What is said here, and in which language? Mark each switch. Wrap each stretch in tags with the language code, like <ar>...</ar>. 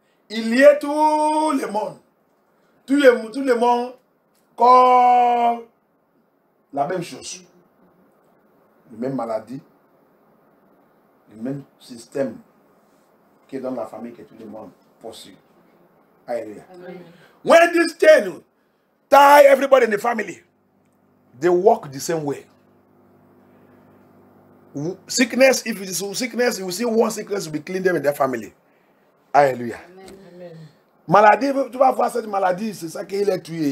<fr>Il y a tout le monde. Tout le monde comme la même chose. La même maladie. Le même système qui est dans la famille que tout le monde possède. Alléluia.</fr> <en>When this thing tie everybody in the family, they walk the same way. Sickness, if it is sickness, you see one sickness will be clean them in their family. Alléluia.</en> <fr>Maladie, tu vas voir cette maladie, c'est ça qu'il est tué.</fr>